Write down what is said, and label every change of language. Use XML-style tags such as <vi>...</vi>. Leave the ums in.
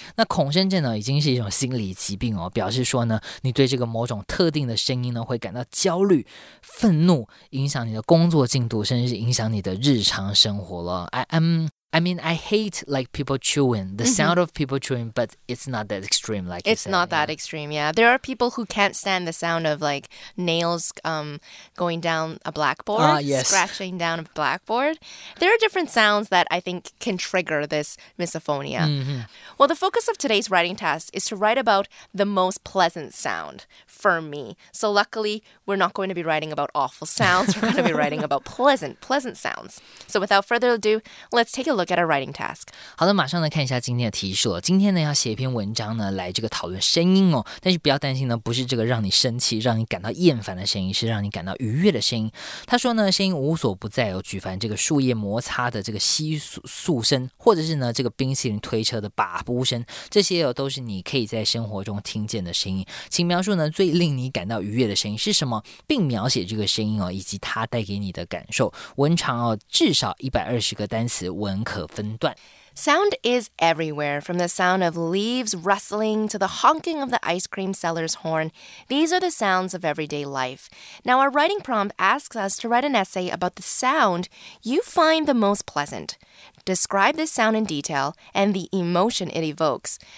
<zh>那恐声症已经是一种心理疾病哦,表示说呢,你对这个某种特定的声音呢,会感到焦虑,愤怒,影响你的工作进度,甚至影响你的日常生活了。</zh> <en>I'm I mean, I hate like people chewing, the mm -hmm. sound of people chewing, but it's not that extreme. Like it's said, not yeah. that extreme. Yeah, there are people who can't stand the sound of like nails um, going down a blackboard, uh, yes. scratching down a blackboard. There are different sounds that I think can trigger this misophonia. Mm -hmm. Well, the focus of today's writing task is to write about the most pleasant sound for me. So luckily, we're not going to be writing about awful sounds. We're going to be writing about pleasant, pleasant sounds. So without further ado, let's take a look at our writing task.</en> <zh>好的，马上来看一下今天的提示了。今天呢，要写一篇文章呢，来这个讨论声音哦。但是不要担心呢，不是这个让你生气、让你感到厌烦的声音，是让你感到愉悦的声音。他说呢，声音无所不在哦，举凡这个树叶摩擦的这个窸窣声，或者是呢这个冰淇淋推车的把布声，这些哦都是你可以在生活中听见的声音。请描述呢最最令你感到愉悦的声音是什么，并描写这个声音哦，以及它带给你的感受。文长哦，至少一百二十个单词，文可分段。</zh> <en>Sound is everywhere, from the sound of leaves rustling to the honking of the ice cream seller's horn. These are the sounds of everyday life. Now, our writing prompt asks us to write an essay about the sound you find the most pleasant describe the sound in detail and the emotion it evokes.</en>